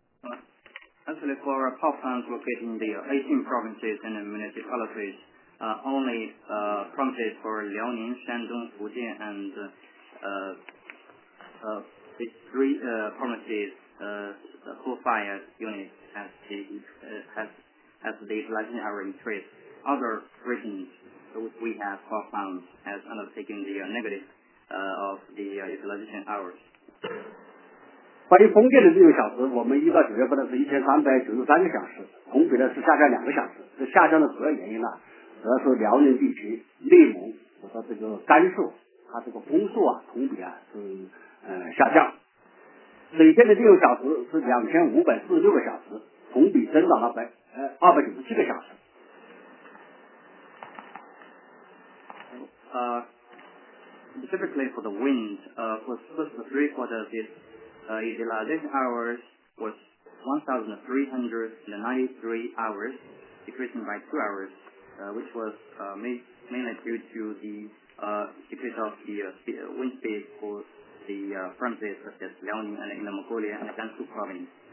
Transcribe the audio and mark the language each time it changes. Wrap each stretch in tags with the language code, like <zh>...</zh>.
<en>Actually, for our power plants located in the 18 provinces and municipalities, only provinces for Liaoning, Shandong, Fujian, and three provinces coal fire units has the utilization hour increase. Other regions which we have power plants has undertaken the negative of the utilization hours.</en> <zh>关于风电的利用小时，我们一到九月份呢是1393个小时，同比呢是下降2个小时。这下降的主要原因呢，主要是辽宁地区、内蒙和说这个甘肃，它这个风速啊，同比啊是下降。水电的利用小时是2546个小时，同比增长了297个小时。</zh> <en>Specifically for the wind, for first three quarters of this utilization hours was 1,393 hours, decreasing by 2 hours, which was mainly due to the decrease of the wind speed for the provinces such as Liaoning and Inner Mongolia and Gansu province.</en>